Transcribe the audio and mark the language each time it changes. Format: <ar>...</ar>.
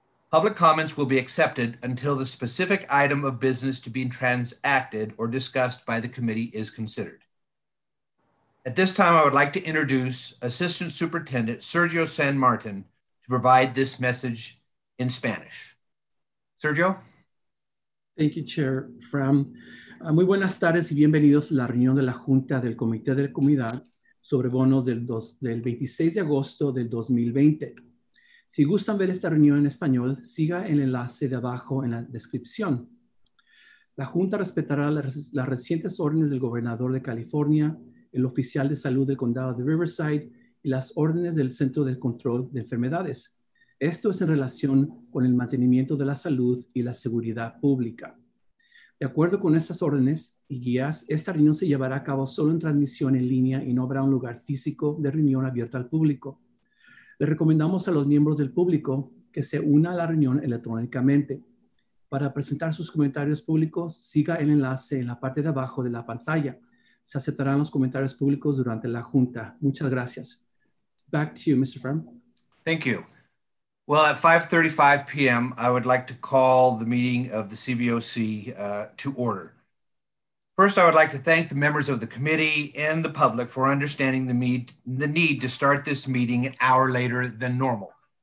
<en>Public comments will be accepted until the specific item of business to be transacted or discussed by the committee is considered. At this time, I would like to introduce Assistant Superintendent Sergio San Martin to provide this message in Spanish. Sergio. Thank you, Chair Fram.</en> <es>Muy buenas tardes y bienvenidos a la reunión de la Junta del Comité de la Comunidad sobre bonos del 26 de agosto del 2020. Si gustan ver esta reunión en español, siga el enlace de abajo en la descripción. La Junta respetará las recientes órdenes del gobernador de California, el oficial de salud del condado de Riverside y las órdenes del Centro de Control de Enfermedades. Esto es en relación con el mantenimiento de la salud y la seguridad pública. De acuerdo con estas órdenes y guías, esta reunión se llevará a cabo solo en transmisión en línea y no habrá un lugar físico de reunión abierto al público. Le recomendamos a los miembros del público que se una a la reunión electrónicamente. Para presentar sus comentarios públicos, siga el enlace en la parte de abajo de la pantalla. Se aceptarán los comentarios públicos durante la junta. Muchas gracias.</es> <en>Back to you, Mr. Firm. Thank you. Well, at 5:35 p.m., I would like to call the meeting of the CBOC to order. First, I would like to thank the members of the committee and the public for understanding the need to start this meeting an hour later than normal.</en>